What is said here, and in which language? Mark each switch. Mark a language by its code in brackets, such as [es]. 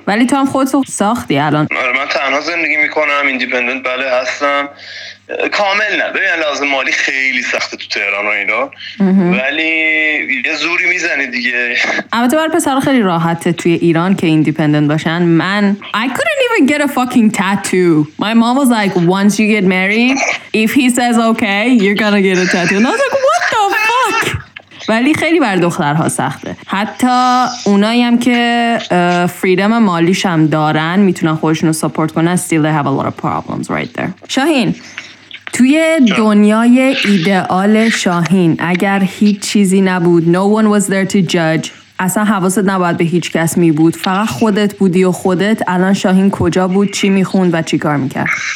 [fa] ولی تو هم خودتو ساختی الان. من تنها زندگی میکنم، ایندیپندنت بله هستم، کامل نه. ببین لازم مالی خیلی سخته تو تهران و اینا، ولی یه زوری میزنه دیگه. البته برای پسرها خیلی راحته توی ایران که ایندیپندنت باشن. [en] من I couldn't even get a fucking tattoo. My mom was like once you get married if he says okay you're gonna get a tattoo. And I was like what the fuck. [fa] ولی خیلی بر دخترها سخته، حتی اونایی هم که فریدم مالیش هم دارن میتونن خودشونو ساپورت کنن، [en] still they have a lot of problems right there. [fa] شاهین توی دنیای ایدئال شاهین اگر هیچ چیزی نبود، [en] no one was there to judge، [fa] اصلا حواست نباید به هیچ کس می بود، فقط خودت بودی و خودت، الان شاهین کجا بود، چی میخوند و چی کار میکرد؟